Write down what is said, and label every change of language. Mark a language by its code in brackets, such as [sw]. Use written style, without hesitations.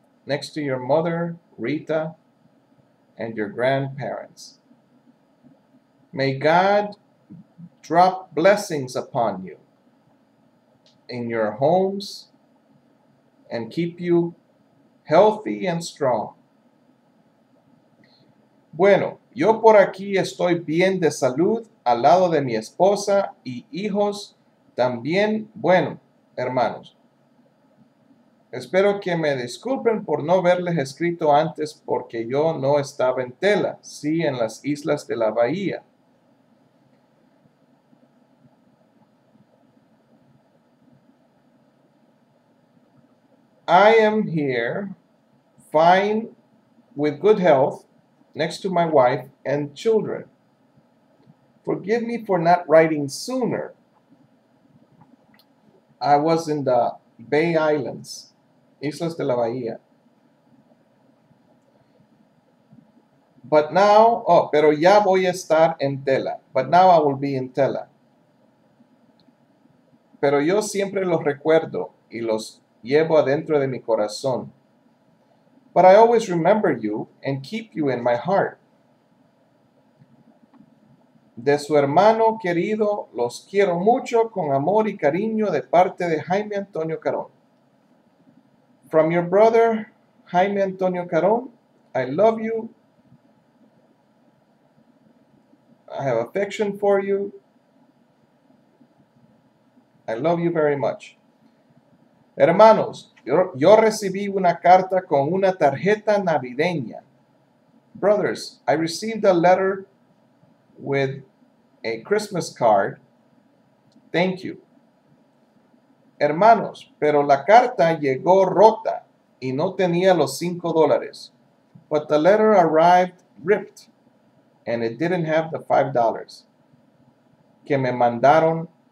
[en] Next to your mother, Rita, and your grandparents. May God drop blessings upon you in your homes and keep you healthy and strong. [es] Bueno, yo por aquí estoy bien de salud al lado de mi esposa y hijos también. Bueno, hermanos, espero que me disculpen por no haberles escrito antes porque yo no estaba en tela, sí, en las islas de la bahía. [en] I am here fine with good health next to my wife and children. Forgive me for not writing sooner. I was in the Bay Islands, Islas de la Bahía. But now, oh, [es] pero ya voy a estar en tela. [en] But now I will be in tela. [es] Pero yo siempre los recuerdo y los llevo adentro de mi corazón. [en] But I always remember you and keep you in my heart. [es] De su hermano querido, los quiero mucho con amor y cariño de parte de Jaime Antonio Carón. [en] From your brother, Jaime Antonio Carón, I love you. I have affection for you. I love you very much. [es] Hermanos, yo recibí una carta con una tarjeta navideña. [en] Brothers, I received a letter with a Christmas card. Thank you. [es] Hermanos, pero la carta llegó rota y no tenía los $5. [en] But the letter arrived ripped and it didn't have the $5 [es] que me mandaron.